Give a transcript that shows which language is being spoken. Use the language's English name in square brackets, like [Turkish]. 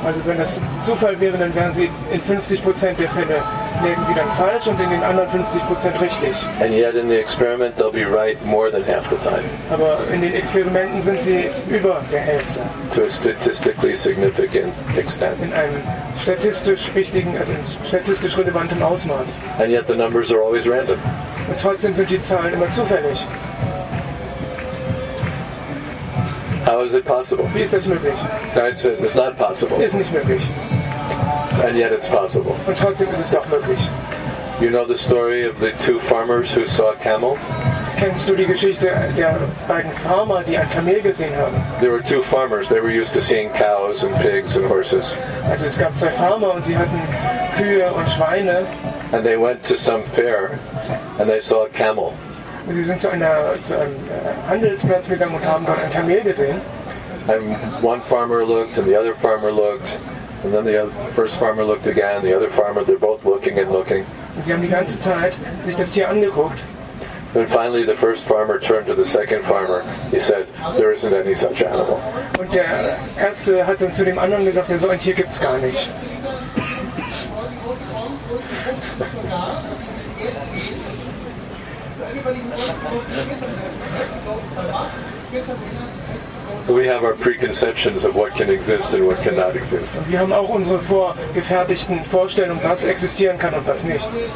[German] Also wenn das Zufall wäre, dann wären sie in 50% der Fälle lägen sie dann falsch und in den anderen 50% richtig. [English] And yet in the experiment they'll be right more than half the time. [German] Aber in den Experimenten sind sie über der Hälfte. [English] To a statistically significant extent. [German] In einem statistisch wichtigen, also in statistisch relevanten Ausmaß. [English] And yet the numbers are always random. [German] Und trotzdem sind die Zahlen immer zufällig. [English] How is it possible? [German] Wie ist das möglich? [English] No, it's not possible. [German] Ist nicht möglich. [English] And yet it's possible. [German] Und trotzdem ist es doch möglich. [English] You know the story of the two farmers who saw a camel? [German] Kennst du die Geschichte der beiden Farmer, die ein Kamel gesehen haben? [English] There were two farmers. They were used to seeing cows and pigs and horses. [German] Also es gab zwei Farmer und sie hatten Kühe und Schweine. [English] And they went to some fair and they saw a camel. [German] Sie sind zu einem Handelsplatz gegangen und haben dort ein Kamel gesehen. [English] And one farmer looked and the other farmer looked. And then the first farmer looked again, the other farmer, they're both looking and looking. [German] Sie haben die ganze Zeit sich das Tier angeguckt. [English] And finally the first farmer turned to the second farmer. He said, there isn't any such animal. [German] Und der erste hat dann zu dem anderen gesagt, ja, so ein Tier gibt's gar nicht. [English] We have our preconceptions of what can exist and what cannot exist. [German] Wir haben auch unsere vorgefertigten Vorstellungen, was existieren kann und was nicht.